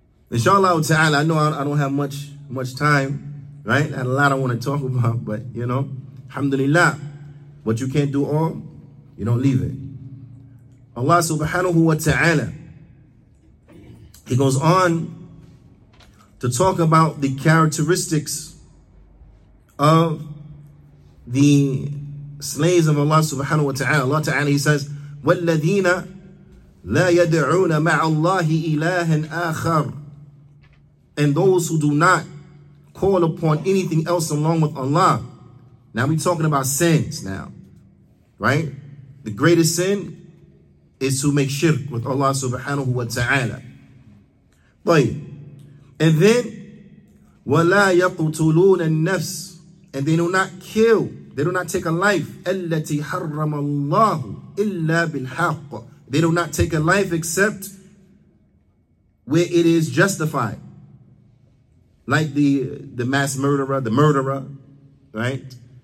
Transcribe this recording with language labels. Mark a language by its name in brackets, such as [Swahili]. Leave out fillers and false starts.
[English] Inshallah ta'ala, I know I don't have much time, right? I had a lot I want to talk about, but you know, alhamdulillah, what you can't do all, you don't leave it. Allah subhanahu wa ta'ala, he goes on to talk about the characteristics of the slaves of Allah subhanahu wa ta'ala. Allah ta'ala, he says, [Arabic] وَالَّذِينَ لَا يَدْعُونَ مَعَ اللَّهِ إِلَٰهًا آخَرٌ. [English] And those who do not call upon anything else along with Allah. Now we're talking about sins now, right? The greatest sin is to make shirk with Allah subhanahu wa ta'ala. And then, [Arabic] وَلَا يَقْتُلُونَ النَّفْسِ. [English] And they do not kill, they do not take a life. [Arabic] أَلَّتِي حَرَّمَ اللَّهُ إِلَّا بِالْحَقِّ. [English] They do not take a life except where it is justified. Like the mass murderer, the murderer, right?